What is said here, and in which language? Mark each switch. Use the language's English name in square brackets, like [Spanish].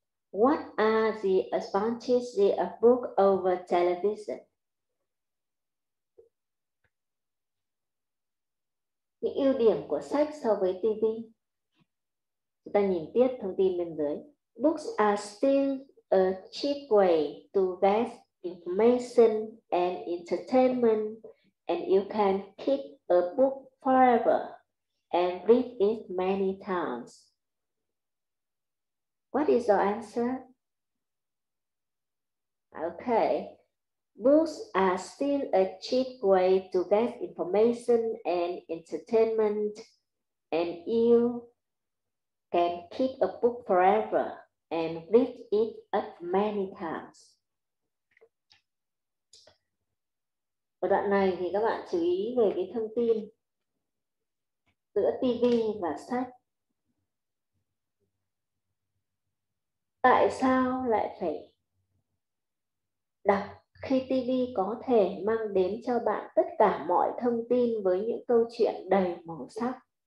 [English] What are the advantages of a book over television? [Vietnamese] Những ưu điểm của sách so với TV. Chúng ta nhìn tiếp thông tin bên dưới. [English] Books are still a cheap way to get information and entertainment, and you can keep a book forever and read it many times. What is your answer? Okay. Books are still a cheap way to get information and entertainment, and you keep a book forever and read it as many times. [Vietnamese] Ở đoạn này thì các bạn chú ý về cái thông tin giữa TV và sách. Tại sao lại phải đọc khi TV có thể mang đến cho bạn tất cả mọi thông tin với những câu chuyện đầy màu sắc?